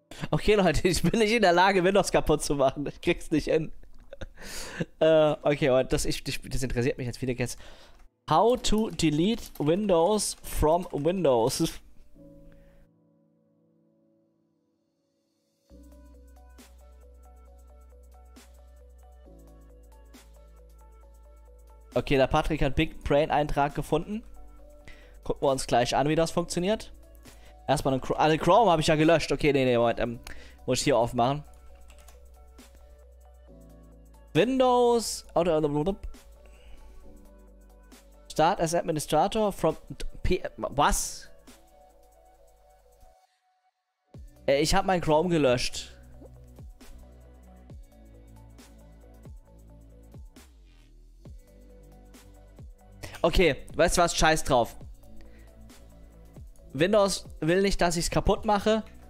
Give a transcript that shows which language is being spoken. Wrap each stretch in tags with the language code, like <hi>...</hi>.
<de>Okay, Leute, ich bin nicht in der Lage, Windows kaputt zu machen. Ich krieg's nicht hin. Okay, und das interessiert mich jetzt viele Gäste.</de> <en>How to delete Windows from Windows.</en> <de>Okay, der Patrick hat Big Brain Eintrag gefunden. Gucken wir uns gleich an, wie das funktioniert. Erstmal einen Chrome habe ich ja gelöscht. Okay, nee, Moment, muss ich hier aufmachen. Windows.</de> <en>Start as Administrator from</en> <de>was? Ich habe meinen Chrome gelöscht. Okay, weißt du was? Scheiß drauf. Windows will nicht, dass ich es kaputt mache.</de>